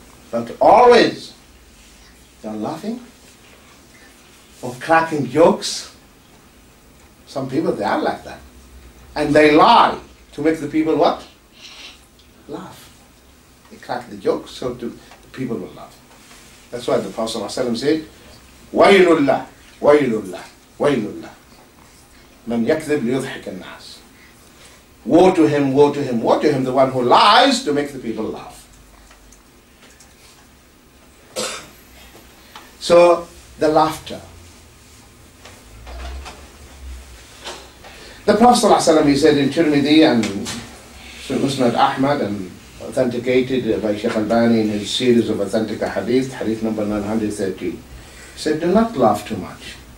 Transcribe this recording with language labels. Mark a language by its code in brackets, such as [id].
[en] But always you're laughing or cracking jokes. Some people, they are like that. And they lie to make the people what? Laugh. They crack the joke so the people will laugh. That's why the Prophet ﷺ said, [ar] وَيْلُلَّهِ وَيْلُلَّهِ وَيْلُلَّهِ مَنْ يَكْذِبْ لِيُضْحِكَ النَّاسِ. [en] Woe to him, the one who lies to make the people laugh. So, the laughter. The Prophet ﷺ, he said in Tirmidhi and Musnad Ahmad and authenticated by Shaikh Albani in his series of authentic hadith, hadith number 913, said, do not laugh too much.